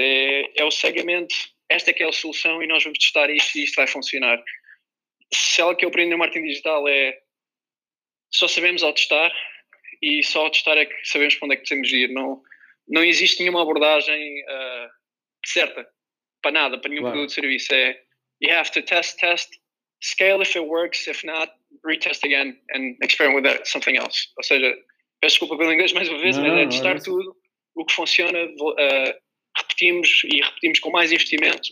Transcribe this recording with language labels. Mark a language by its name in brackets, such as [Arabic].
[Portuguese] É o segmento, esta é que é a solução e nós vamos testar isto e isto vai funcionar. Se algo que eu aprendi no marketing digital é só sabemos ao testar e só ao testar é que sabemos para onde é que precisamos ir. Não existe nenhuma abordagem certa para nada, para nenhum produto ou serviço. [English] É you have to test, scale if it works, if not, retest again and experiment with something else. [Portuguese] Ou seja, peço desculpa pelo inglês mais uma vez, mas é testar tudo. O que funciona, repetimos e repetimos com mais investimentos.